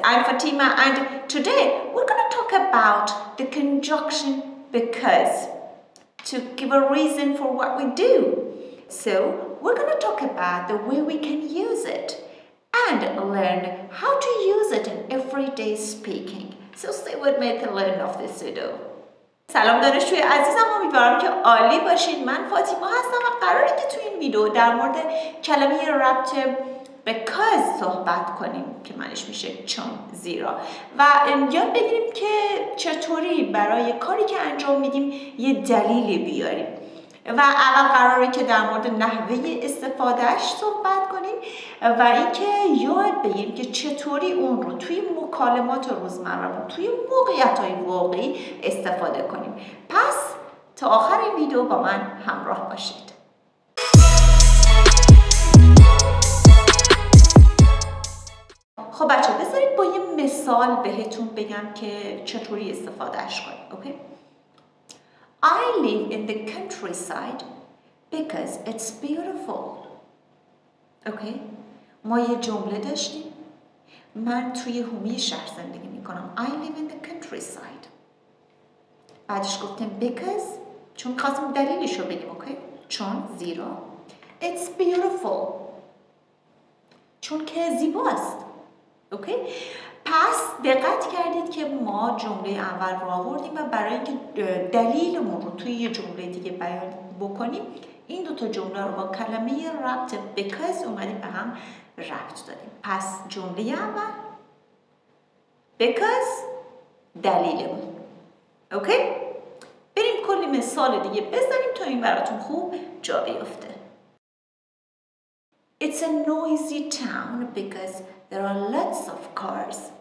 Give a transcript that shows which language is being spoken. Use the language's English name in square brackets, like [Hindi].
[English] I'm Fatima and today we're going to talk about the conjunction because to give a reason for what we do. So we're going to talk about the way we can use it and learn how to use it in everyday speaking. So stay with me to learn of this video. [Persian] سلام دانشجوی عزیزم، امیدوارم که عالی باشید. من فاطمه هستم و قراره که تو این ویدیو در مورد کلمه ربط because صحبت کنیم که معنیش میشه چون، زیرا، و یاد بگیریم که چطوری برای کاری که انجام میدیم یه دلیلی بیاریم. و اول قراره که در مورد نحوه استفادهش صحبت کنیم و اینکه یاد بگیریم که چطوری اون رو توی مکالمات روزمره و توی موقعیت‌های واقعی استفاده کنیم. پس تا آخر این ویدیو با من همراه باشید. خب بچه بذارید با یه مثال بهتون بگم که چطوری استفادهش کنیم. [English] Okay? I live in the countryside because it's beautiful. [Persian] Okay? ما یه جمله داشتیم. من توی حومه شهر زندگی میکنم. [English] I live in the countryside. [Persian] بعدش گفتم because چون خواستم دلیلشو بگیم. [English] Okay? [Persian] چون زیرا. [English] It's beautiful. [Persian] چون که زیباست. Okay? پس دقت کردید که ما جمله اول رو آوردیم و برای اینکه دلیلمون رو توی یه جمله دیگه بیان بکنیم این دوتا جمله رو با کلمه ربط because اومدیم به هم ربط دادیم. پس جمله اول because دلیلمون. اوکی؟ بریم کلی مثال دیگه بزنیم تا این براتون خوب جا بیفته. [English] It's a noisy town because there are lots of cars.